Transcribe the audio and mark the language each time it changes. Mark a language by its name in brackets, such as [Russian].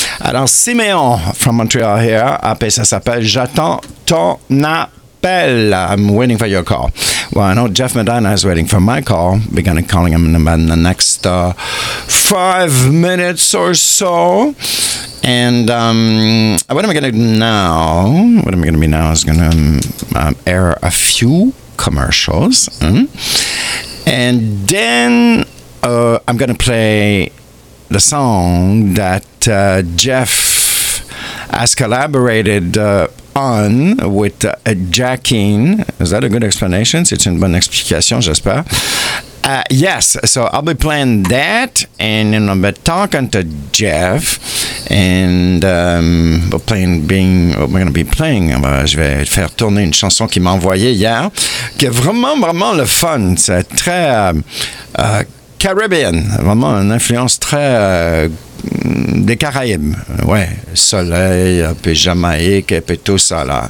[French] Alors, Simeon [English] from Montreal here, [French] appel, ça s'appelle J'attends ton appel. [English] I'm waiting for your call. Well, I know Jeff Medina is waiting for my call. We're going to be calling him in about the next 5 minutes or so. And what am I going to do now? What am I going to be now? I'm going to air a few commercials. And then I'm going to play the song that Jeff has collaborated on with Jacqueline. Is that a good explanation? [French] C'est une bonne explication, j'espère. [English] Yes, so I'll be playing that, and then I'll be talking to Jeff, and we're going to be playing. [French] Je vais faire tourner une chanson qu'il m'a envoyée hier, qui est vraiment, vraiment le fun. C'est très Caribbean, vraiment une influence très des Caraïbes. Ouais, soleil, un peu Jamaïque, un peu tout ça là.